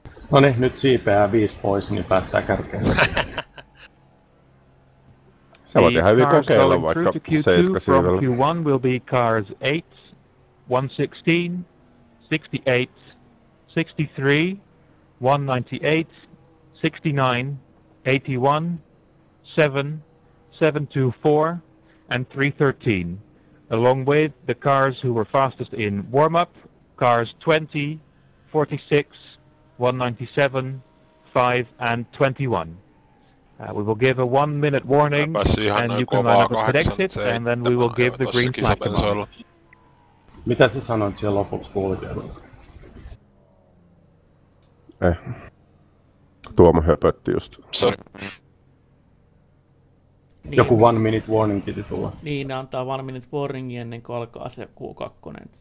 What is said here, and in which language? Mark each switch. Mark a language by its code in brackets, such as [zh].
[fi] No niin, nyt siipeää 5 pois, niin päästään kärkeen. Se voi ihan hyvin kokeilla vaikka 7 siivellä. [en] Q1 will be cars 8, 116, 68, 63, 198, 69, 81, 7, 724, and 313. Along with the cars who were fastest in warm-up, cars 20, 46, 197, 5, and 21. We will give a 1 minute warning, and you can line up at exit, and then we will give the green flag to march. [fi] Mitä sä sanoit siellä lopuksi kuulikerralla? Tuomo höpötti just. [en] Sorry. [fi] Niin. Joku [en] 1 minute warning [fi] piti tulla. Niin, ne antaa [en] 1 minute warning [fi] ennen kuin alkaa se Q2.